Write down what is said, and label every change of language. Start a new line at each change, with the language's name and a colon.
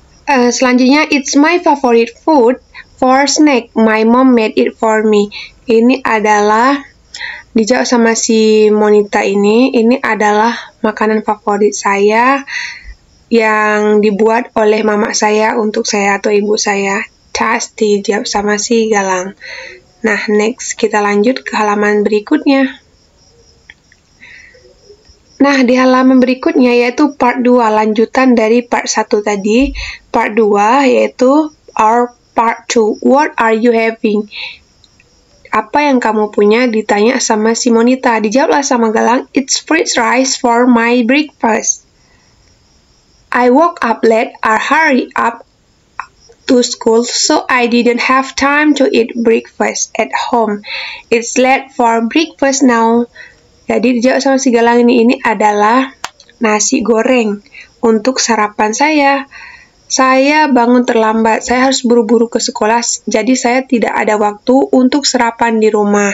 English: Selanjutnya, it's my favorite food for snack. My mom made it for me.
Indonesian: Ini adalah, dijawab sama si Monita ini adalah makanan favorit saya yang dibuat oleh mama saya untuk saya atau ibu saya. Tasty, jawab sama si Galang. Nah, next kita lanjut ke halaman berikutnya. Nah, di halaman berikutnya yaitu part 2, lanjutan dari part 1 tadi.
English: Part 2 yaitu our part 2. What are you having?
Indonesian: Apa yang kamu punya? Ditanya sama si Monita. Dijawablah sama Galang,
English: it's fried rice for my breakfast. I woke up late or hurry up to school, so I didn't have time to eat breakfast at home. It's late for breakfast now.
Indonesian: Jadi, dijawab sama si Galang ini adalah nasi goreng untuk sarapan saya. Saya bangun terlambat, saya harus buru-buru ke sekolah, jadi saya tidak ada waktu untuk sarapan di rumah.